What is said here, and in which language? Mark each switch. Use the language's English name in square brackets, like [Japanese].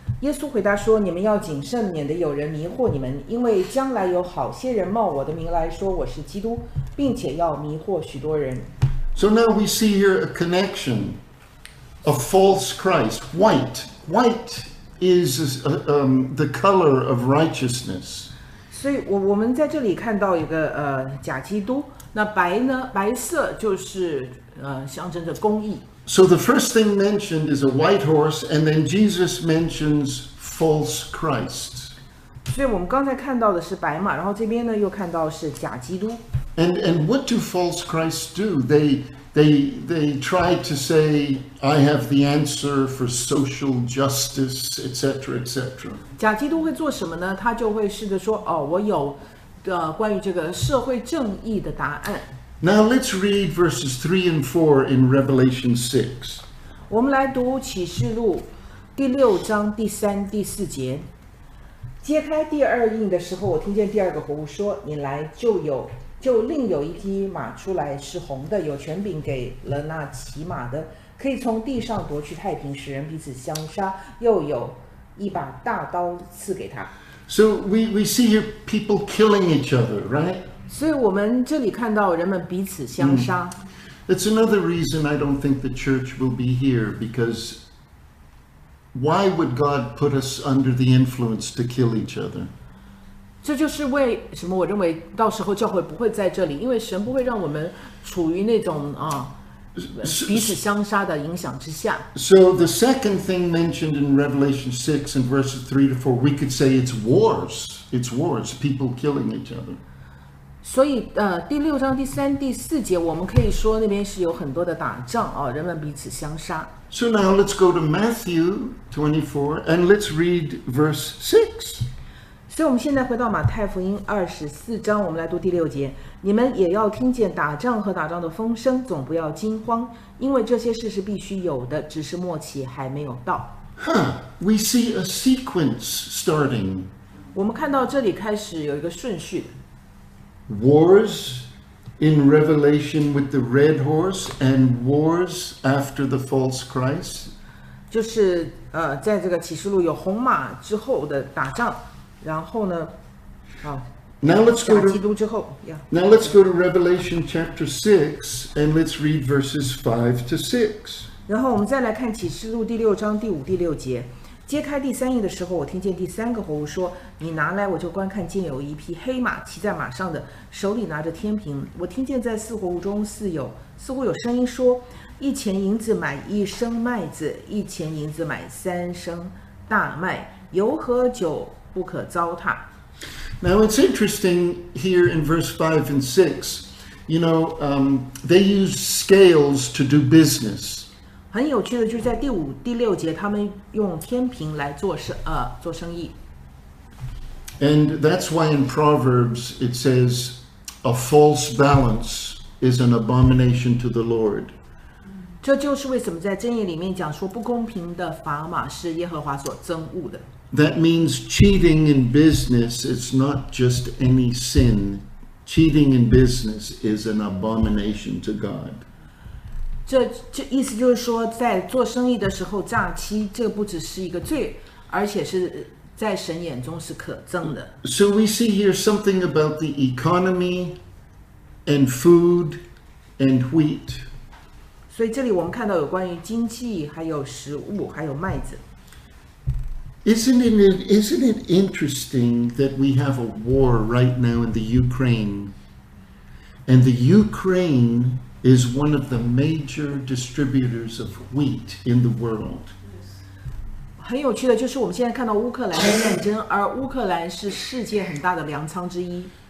[Chinese] 耶稣回答说：“你们要谨慎，免得有人迷惑你们，因为将来有好些人冒我的名来说我是基督，并且要迷惑许多人。” [English] So now we see here a connection, a false Christ. White, white is the color of righteousness. [Chinese] 所以我们在这里看到一个假基督。那白呢？白色就是象征着公义。 [English] So the first thing mentioned is a white horse, and then Jesus mentions false Christ. [Chinese] 所以我们刚才看到的是白马，然后这边呢又看到是假基督。 [English] And what do false Christ do? They they try to say, I have the answer for social justice, etc., etc. [Chinese] 假基督会做什么呢？他就会试着说，哦，我有关于这个社会正义的答案。 [English] Now let's read verses 3 and 4 in Revelation 6. [Chinese] 我们来读启示录第六章第三、第四节。揭开第二印的时候，我听见第二个活物说，你来就另有一匹马出来，是红的，有权柄给了那骑马的，可以从地上夺去太平，使人彼此相杀，又有一把大刀赐给他。 [English] So we see here people killing each other, right? [Chinese] 所以我们这里看到人们彼此相杀。 [English] That's another reason I don't think the church will be here, because why would God put us under the influence to kill each other? [Chinese] 这就是为什么我认为到时候教会不会在这里，因为神不会让我们处于那种啊彼此相杀的影响之下。 [English] So the second thing mentioned in Revelation 6 and verses 3 to 4, we could say it's wars. It's wars, people killing each other. [Chinese] 所以第六章第三、第四节，我们可以说那边是有很多的打仗啊，人们彼此相杀。 [English] So now let's go to Matthew 24 and let's read verse 6. [Chinese] 所以我们现在回到马太福音二十四章，我们来读第六节。你们也要听见打仗和打仗的风声，总不要惊慌，因为这些事是必须有的，只是末期还没有到。 [English] We see a sequence starting. [Chinese] 我们看到这里开始有一个顺序。 [English] Wars in Revelation with the red horse and wars after the false Christ. [Chinese] 就是在这个启示录有红马之后的打仗。然后呢， [English] Now let's go to Revelation chapter 6 and let's read verses 5 to 6. [Chinese] 然后我们再来看启示录第六章第五、第六节。揭开第三印的时候，我听见第三个活物说，你拿来，我就观看见有一匹黑马，骑在马上的，手里拿着天平。我听见在四活物中似乎有声音说，一钱银子买一升麦子，一钱银子买三升大麦，油和酒不可糟蹋。 [English] Now it's interesting here in verse 5 and 6, you know, they use scales to do business. [Chinese] 很有趣的就是在第五、第六节，他们用天平来做生意。 [English] And that's why in Proverbs it says, a false balance is an abomination to the Lord. [Chinese] 这就是为什么在箴言里面讲说不公平的砝码是耶和华所憎恶的。 [English] That means cheating in business is not just any sin. Cheating in business is an abomination to God. [Chinese] 这意思就是说，在做生意的时候诈欺，这不只是一个罪，而且是在神眼中是可憎的。 [English] So we see here something about the economy and food and wheat. [Chinese] 所以这里我们看到有关于经济，还有食物，还有麦子。 [English] Isn't it interesting that we have a war right now in the Ukraine? And the Ukraine is one of the major distributors of wheat in the world. [Chinese] 很有趣的就是我们现在看到乌克兰的战争，而乌克兰是世界很大的粮仓之一。